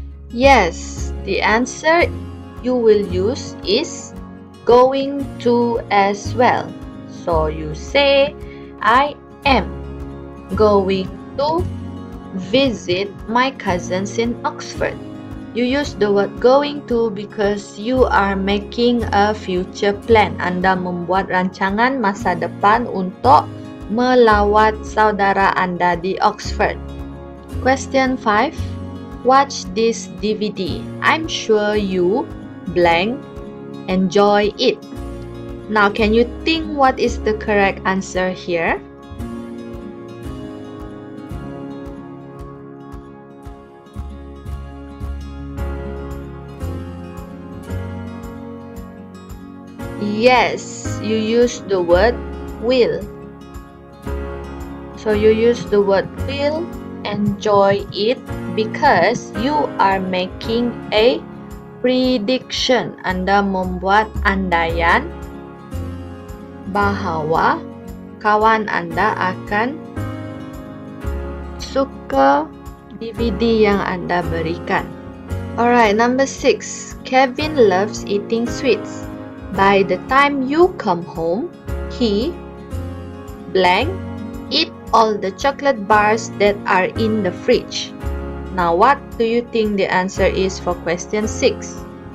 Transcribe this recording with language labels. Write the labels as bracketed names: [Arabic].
[English] Yes, the answer you will use is going to as well. So you say, I am going to visit my cousins in Oxford. You use the word going to because you are making a future plan. [Malay] Anda membuat rancangan masa depan untuk melawat saudara Anda di Oxford. [English] Question 5. Watch this DVD. I'm sure you blank enjoy it. Now can you think what is the correct answer here? Yes, you use the word will. So you use the word will enjoy it because you are making a prediction. [Malay] Anda membuat andaian bahwa kawan Anda akan suka DVD yang Anda berikan. [English] Alright, number 6. Kevin loves eating sweets. By the time you come home, he blank eat all the chocolate bars that are in the fridge. Now, what do you think the answer is for question 6?